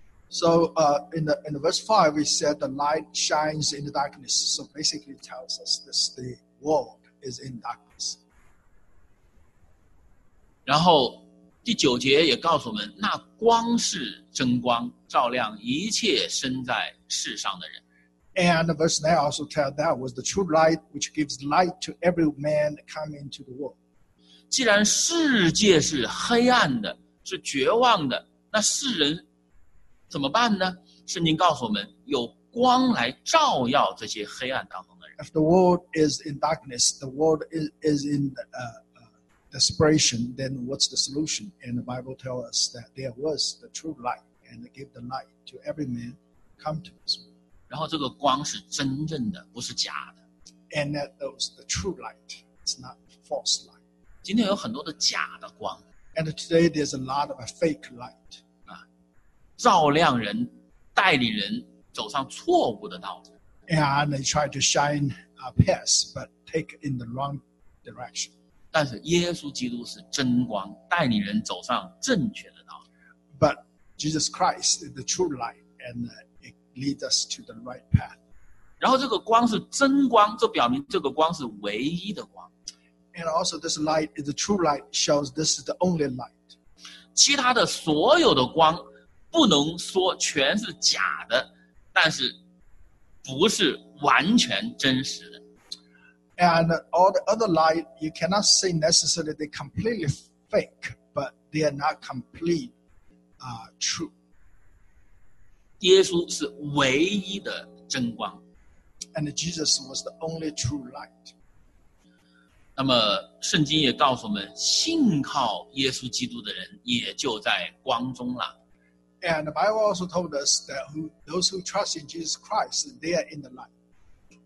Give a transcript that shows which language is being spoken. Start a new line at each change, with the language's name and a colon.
English: So, in the verse 5, we said the light shines in the darkness. So basically, tells us that the world is in darkness.
Chinese: 然后第九节也告诉我们，那光是真光，照亮一切生在世上的人。
English: And the verse 9 also tells that was the true light, which gives light to every man coming into the world.
Chinese: 既然世界是黑暗的，是绝望的，那世人怎么办呢？圣经告诉我们，有光来照耀这些黑暗当中的人。
English: If the world is in darkness, the world is in desperation, then what's the solution? And the Bible tells us that there was the true light, and give the light to every man come to this world.
Chinese: 然后这个光是真正的，不是假的。
English: And that was the true light, it's not false light.
Chinese: 今天有很多的假的光。
English: And today there's a lot of a fake light.
Chinese: 照亮人，带领人走上错误的道路。
English: And they tried to shine a path, but take in the wrong direction.
Chinese: 但是耶稣基督是真光，带领人走上正确的道。
English: But Jesus Christ is the true light, and it leads us to the right path.
Chinese: 然后这个光是真光，这表明这个光是唯一的光。
English: And also this light is the true light, shows this is the only light.
Chinese: 其他的所有的光不能说全是假的，但是不是完全真实的。
English: And all the other light, you cannot say necessarily they completely fake, but they are not complete, true.
Chinese: 耶稣是唯一的真光。
English: And Jesus was the only true light.
Chinese: 那么圣经也告诉我们，信靠耶稣基督的人也就在光中了。
English: And the Bible also told us that those who trust in Jesus Christ, they are in the light.